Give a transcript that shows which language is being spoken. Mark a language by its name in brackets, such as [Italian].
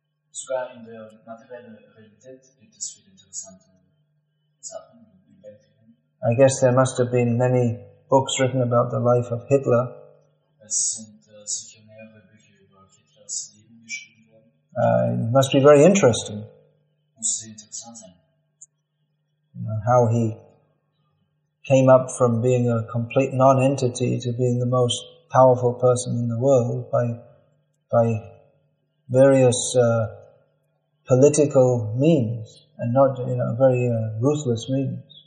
[German] Sogar in der materiellen Realität gibt es viele interessante Sachen. [English] I guess there must have been many books written about the life of Hitler. [German] Es sind sicher mehrere Bücher über Hitlers Leben geschrieben worden. [English] It must be very interesting. [German] Muss sehr interessant sein. [English] How he came up from being a complete non-entity to being the most powerful person in the world by various political means, and not, you know, very ruthless means.